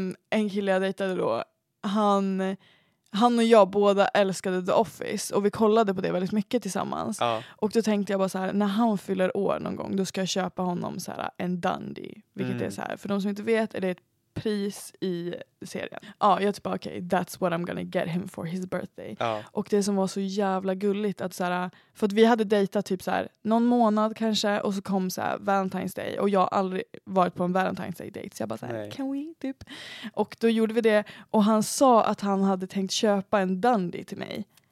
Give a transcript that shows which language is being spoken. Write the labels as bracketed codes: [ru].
[sv] En kille jag dejtade då, han och jag båda älskade The Office och vi kollade på det väldigt mycket tillsammans. Ja. Och då tänkte jag bara så här, när han fyller år någon gång, då ska jag köpa honom så här en dundee, vilket är så här, för de som inte vet, är det ett pris i serien. Ja, jag typ bara, okej, [en] okay, that's what I'm gonna get him for his birthday. [sv] Ja. Och det som var så jävla gulligt att såhär, för att vi hade dejtat typ såhär, någon månad kanske, och så kom såhär, Valentine's Day och jag har aldrig varit på en Valentine's Day date, så jag bara såhär, [en] can we, [sv] typ. Och då gjorde vi det, och han sa att han hade tänkt köpa en dundee till mig.